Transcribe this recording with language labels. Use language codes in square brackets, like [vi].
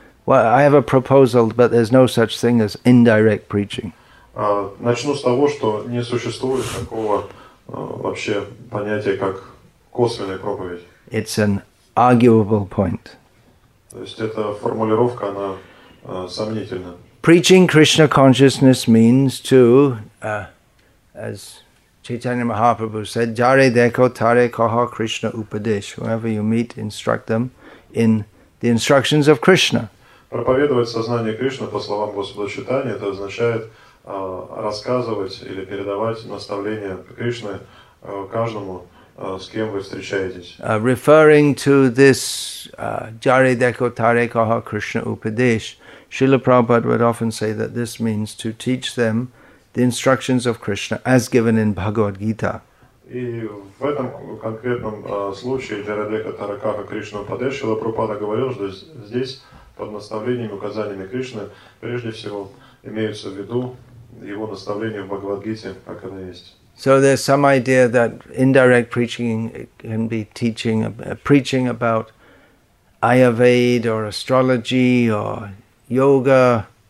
[en] I have a proposal, but there's no such thing as indirect preaching. [ru] Начну с того, что не существует такого вообще понятия, как косвенная проповедь. [en] It's an arguable point. [ru] То есть эта формулировка, она сомнительна. [en] Preaching Krishna consciousness means to, as Chaitanya Mahaprabhu said, [bn] jare dekho tare koho Krishna upadesh. [en] Whoever you meet, instruct them in the instructions of Krishna. [ru] Проповедовать сознание Кришны, по словам Господа Чайтаньи, это означает рассказывать или передавать наставления Кришны каждому, с кем вы встречаетесь. [en] Referring to this [bn] jare dekho tare koho Krishna upadesh, [en] Srila Prabhupada would often say that this means to teach them the instructions of Krishna as given in Bhagavad Gita. [ru] И в этом конкретном случае [bn] jare dekho tare koho Krishna upadesh, [ru] Srila Prabhupada говорил, что здесь под наставлениями, указаниями Кришны прежде всего имеются в виду его наставления в Бхагавад Гите, как оно есть. [en] So there's some idea that indirect preaching can be teaching, preaching about Ayurveda or astrology or yoga.